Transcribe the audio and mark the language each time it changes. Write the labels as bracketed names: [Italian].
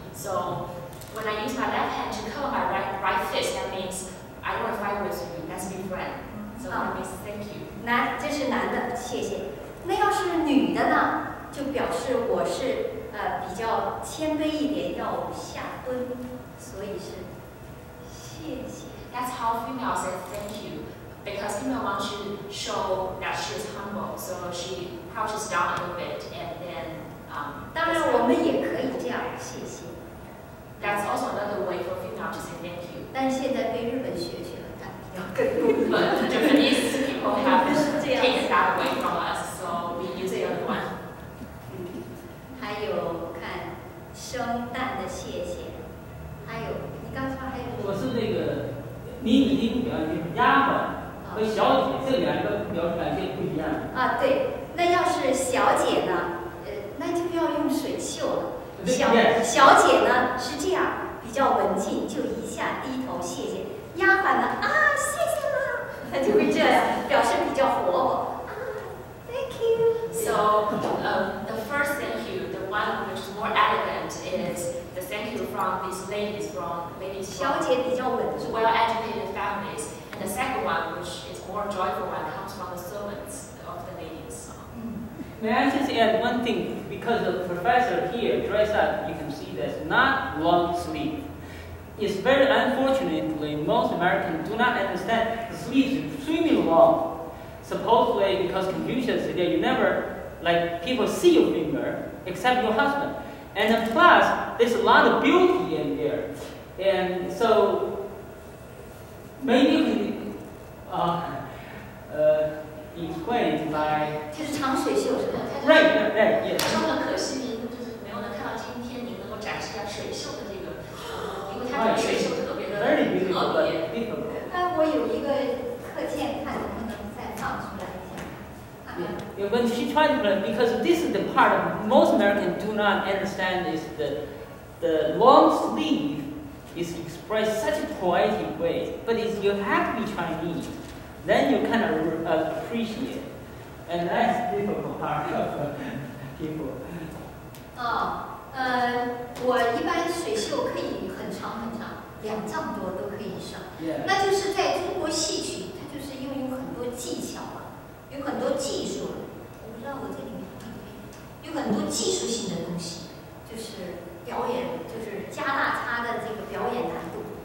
[English] So when I use my left hand to cover my right fist, that means I don't fight with you. Let's be friends. So that means thank you. [Chinese] 男，这是男的，谢谢。那要是女的呢，就表示我是比较谦卑一点，要下蹲，所以是谢谢。 [English] That's how females say thank you. Because female wants to show that she is humble, so she crouches down a little bit and then. [Chinese] 当然，我们也可以这样，谢谢。 [English] That's also another way for female to say thank you. [Chinese] 但现在被日本学习了，要更多。 [English] But Japanese people have taken that away from us, so we use the other one. [Chinese] 还有看生蛋的谢谢，还有你刚才还有。我是那个迷你的表情丫鬟。和小姐这两个表示感谢不一样啊，对，那要是小姐呢，那就要用水袖了。小姐呢是这样，比较文静，就一下低头谢谢。丫鬟呢啊，谢谢啦，她就会这样表示比较活泼。 [English] Thank you. So, the first thank you, the one which is more elegant is the thank you from these ladies from [Chinese] 小姐比较稳重 [English] well educated families. The second one, which is more joyful one, comes from the servants of the ladies. May I just add one thing? Because the professor here dressed up, you can see that's not long sleeve. It's very unfortunately, most Americans do not understand the sleeve is extremely long. Supposedly, because Confucius said that you never, like, people see your finger except your husband. And plus, there's a lot of beauty in there. And so,Maybe you can explain by... [Chinese] 它是长水袖是吧 [English] right, yes. [Chinese] 说很可惜您就是没有能看到今天您能够展示一下水袖的这个因为它的水袖特别的特别那我有一个课件看能不能再放出来一下 [English] Yeah, when she tried to learn, because this is the part of most Americans do not understand is the long sleeve is expressed such a poetic way, but if you have to be Chinese, then you kind of appreciate. And that's the difficult part of people. [Chinese] 我一般水袖可以很长很长，两丈多都可以上。 [English] Yeah. [Chinese] 那就是在中国戏曲，它就是因为有很多技巧啊，有很多技术，我不知道我这里面有很多技术性的东西，就是表演，就是加大它的这个表演难度。